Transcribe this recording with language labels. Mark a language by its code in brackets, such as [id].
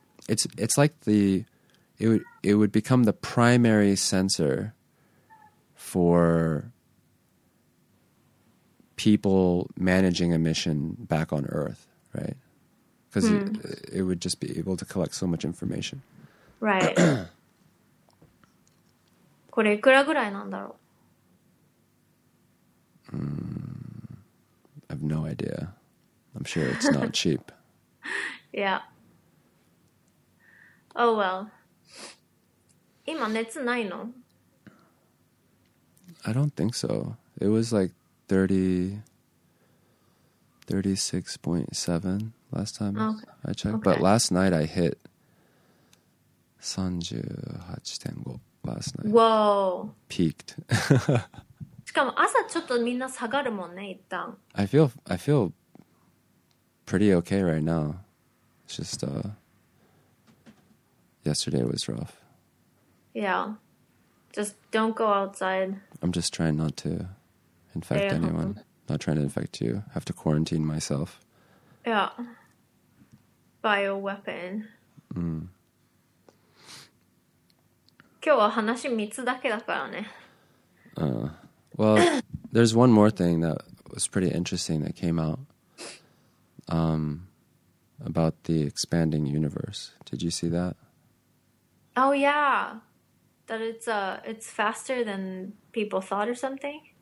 [en] It's like it would become the primary sensor for people managing a mission back on Earth, right? Because it would just be able to collect so much information. Right. [ja] これいくらぐらいなんだろう? [en] I have no idea. I'm sure it's not cheap. Yeah. Oh, well. [ja] 今熱ないの? [en] I don't think so. It was like 36.7. last time I checked. Okay. But last night I hit 38.5 last night. Whoa. Peaked. [ja] しかも朝ちょっとみんな下がるもんね、一旦。 [en] I feel pretty okay right now. It's just yesterday was rough. Yeah. Just don't go outside. I'm just trying not to infect anyone. Not trying to infect you. I have to quarantine myself. Yeah. Bioweapon. Mm. [ja] 今日は話3つだけだからね。 [en] Well, there's one more thing that was pretty interesting that came out about the expanding universe. Did you see that? Oh, yeah. That it's faster than people thought or something?